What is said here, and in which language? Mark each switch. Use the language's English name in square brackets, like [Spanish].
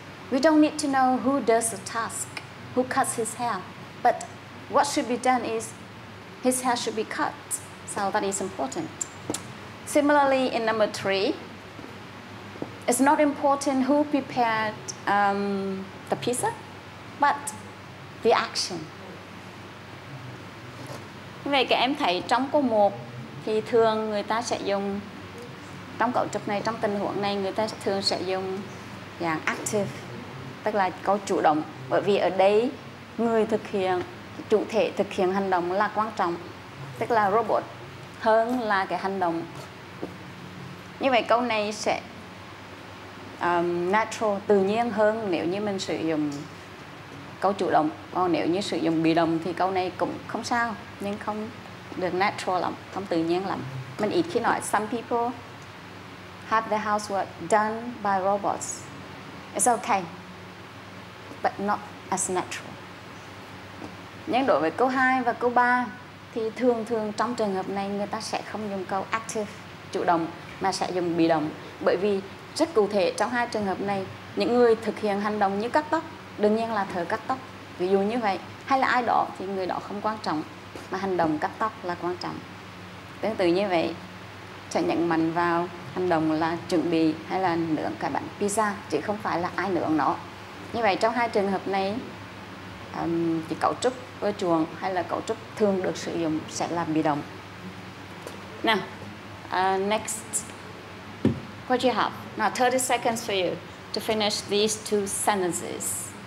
[English] We don't need to know who does the task, who cuts his hair, but what should be done is his hair should be cut, so that is important. Similarly, in number three, it's not important who prepared the pizza, but the action. [Vietnamese] Như vậy các em thấy trong câu 1 thì thường người ta sẽ dùng, trong cấu trúc này, trong tình huống này, người ta thường sẽ dùng dạng active, tức là câu chủ động. Bởi vì ở đây người thực hiện, chủ thể thực hiện hành động là quan trọng, tức là robot hơn là cái hành động. Như vậy câu này sẽ natural, tự nhiên hơn nếu như mình sử dụng câu chủ động. Còn nếu như sử dụng bị động thì câu này cũng không sao, nhưng không được natural lắm, không tự nhiên lắm. [English] Mình ít khi nói some people have the housework done by robots. It's okay, but not as natural. [Vietnamese] Nhưng đối với câu 2 và câu 3 thì thường thường trong trường hợp này người ta sẽ không dùng câu active, chủ động, mà sẽ dùng bị động. Bởi vì rất cụ thể trong hai trường hợp này, những người thực hiện hành động như cắt tóc đương nhiên là thợ cắt tóc, ví dụ như vậy, hay là ai đó thì người đó không quan trọng, mà hành động cắt tóc là quan trọng. Tương tự như vậy, sẽ nhận mạnh vào hành động là chuẩn bị hay là nướng cái bánh pizza, chứ không phải là ai nướng nó. Như vậy trong hai trường hợp này, thì cấu trúc ưa chuộng hay là cấu trúc thường được sử dụng sẽ là bị động. [English] Now, next, what do you have? Now 30 seconds for you to finish these two sentences.